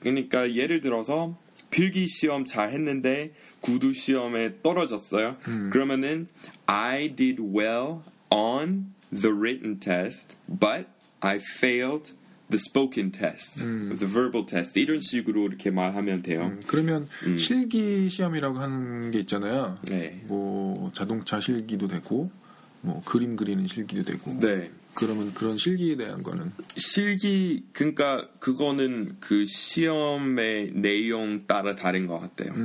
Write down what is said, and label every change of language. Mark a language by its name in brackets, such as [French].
[Korean] 그러니까 예를 들어서 필기 시험 잘 했는데 구두 시험에 떨어졌어요. 그러면은 [English] I did well on the written test, but I failed the spoken test, the verbal test. [Korean] 이런 식으로 이렇게 말하면 돼요. 그러면 실기 시험이라고 하는 게 있잖아요. 네. 뭐 자동차 실기도 되고 뭐 그림 그리는 실기도 되고. 네. 그러면 그런 실기에 대한 거는 실기 그러니까 그거는 그 시험의 내용 따라 다른 것 같아요.